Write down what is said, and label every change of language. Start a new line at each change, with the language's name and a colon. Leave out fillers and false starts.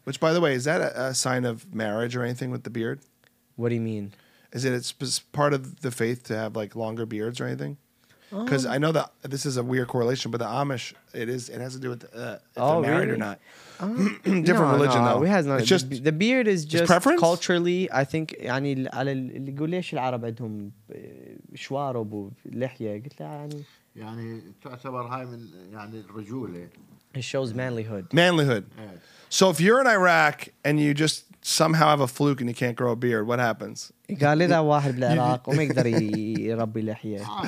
English: Which, by the way, is that a sign of marriage or anything with the beard? What do you mean? Is it it's part of the faith to have like longer beards or anything? Because I know that this is a weird correlation, but the Amish, it has to do with if they're married really? Or not. different religion, though. It has it's just the beard is just preference? Culturally, I think,
Arabic: يعني على اللي يقول ليش العرب عندهم شوارب ولحية قلت له يعني تعتبر هاي من يعني الرجولة.
English: It shows manlyhood. Manlyhood. So if you're in Iraq and you just somehow have a fluke and you can't grow a beard, what happens?
Arabic: قال لي ذا واحد بالعراق وما يقدر يربي لحية.